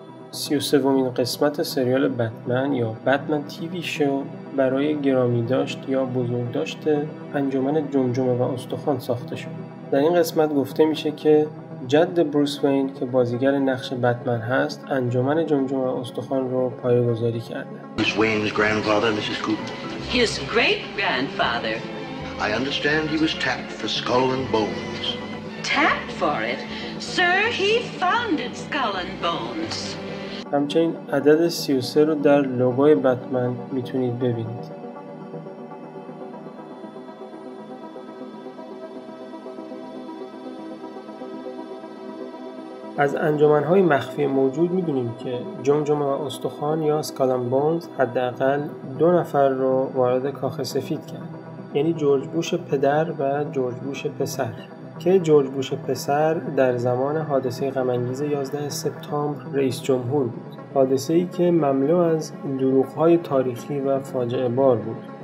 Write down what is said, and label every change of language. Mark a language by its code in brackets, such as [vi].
[fa] 33 قسمت سریال بتمن یا بتمن تی وی شو برای گرامی داشت یا بزرگ داشت انجمن جمجمه و استخوان ساخته شد. در این قسمت گفته میشه که جد بروس وین که بازیگر نقش بتمن هست انجمن جمجمه و استخوان رو پایه‌گذاری کرده. [en] Miss Wayne's grandfather, Mrs. Cooper. His great grandfather. I understand he was tapped for Skull and Bones. Tapped for it? Sir, he founded Skull and Bones. [fa] همچنین عدد 33 رو در لوگوی بتمن میتونید ببینید. از انجمن‌های مخفی موجود می‌دونیم که جمجمه و استخوان یا اسکالن بونز حداقل 2 نفر رو وارد کاخ سفید کرد، یعنی جورج بوش پدر و جورج بوش پسر، که جورج بوش پسر در زمان حادثه غم‌انگیز 11 سپتامبر رئیس جمهور بود، حادثه‌ای که مملو از دروغ‌های تاریخی و فاجعه بار بود.